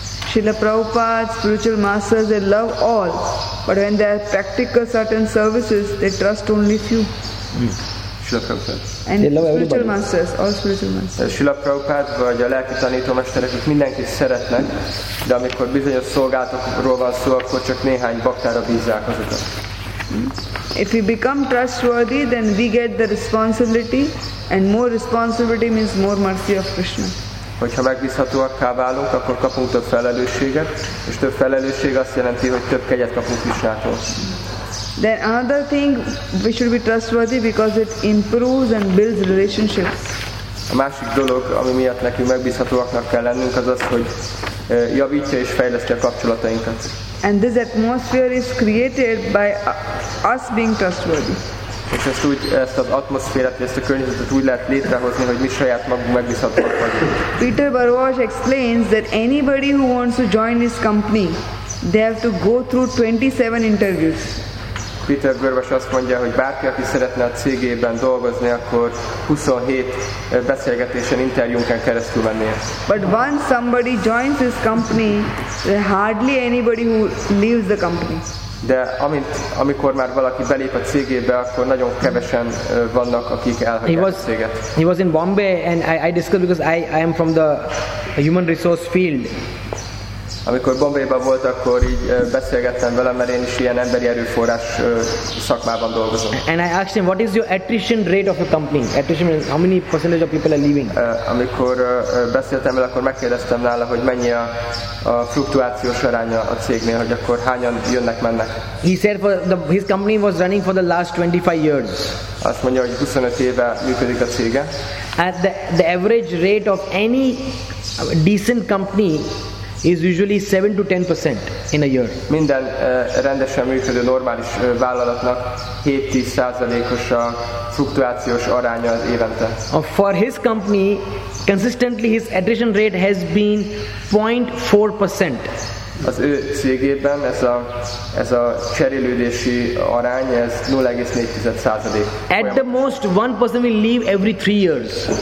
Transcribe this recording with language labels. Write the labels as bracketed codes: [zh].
[en] Srila Prabhupada, spiritual masters, they love all, but when they practical certain services, they trust only few. And spiritual masters, all spiritual masters. [hu] Srila Prabhupada vagy a lelki tanítómesterek, akik mindenkit szeretnek, de amikor bizonyos szolgálatokról van szó, akkor csak néhány baktára bízzák azokat. [en] If we become trustworthy, then we get the responsibility, and more responsibility means more mercy of Krishna. [hu] Hogyha megbízhatóakká válunk, akkor kapunk több felelősséget, és több felelősség azt jelenti, hogy több kegyet kapunk Krishnától. [en] Then another thing, we should be trustworthy because it improves and builds relationships. [hu] A másik dolog, ami miatt nekünk megbízhatóaknak kell lennünk, az az, hogy javítja és fejleszti a kapcsolatainkat. [en] And this atmosphere is created by us being trustworthy. [hu] És ezt az atmoszférát, ezt a környezetet úgy lehet létrehozni, hogy mi saját magunk megbízhatóak vagyunk. [en] Peter Barwash explains that anybody who wants to join his company, they have to go through 27 interviews. [hu] Peter Görvas azt mondja, hogy bárki, aki szeretne a cégében dolgozni, akkor 27 beszélgetésen, interjún kell keresztül mennie. [en] But once somebody joins his company, there hardly anybody who leaves the company. [hu] De amikor már valaki belép a cégébe, akkor nagyon kevesen vannak, akik elhagyják a céget. [en] He was in Bombay and I discussed because I am from the human resource field. [hu] Amikor Bombayban volt, akkor így beszélgettem vele, mert én is ilyen emberi erőforrás szakmában dolgozom. [en] And I asked him, what is your attrition rate of your company? Attrition means how many percentage of people are leaving? [hu] Amikor beszéltem vele, akkor megkérdeztem nála, hogy mennyi a fluktuációs aránya a cégnél, hogy akkor hányan jönnek, mennek. [en] He said his company was running for the last 25 years. [hu] Azt mondja, hogy 25 éve működik a cége. [en] At the average rate of any decent company is usually 7-10% in a year. [hu] Minden rendesen működő normális vállalatnak 7-10%-os a fluktuációs aránya az évente. [en] For his company, consistently his attrition rate has been 0.4%. [hu] Az ő cégében ez a cserélődési arány, ez 0.4%. [en] At the most, 1% will leave every 3 years.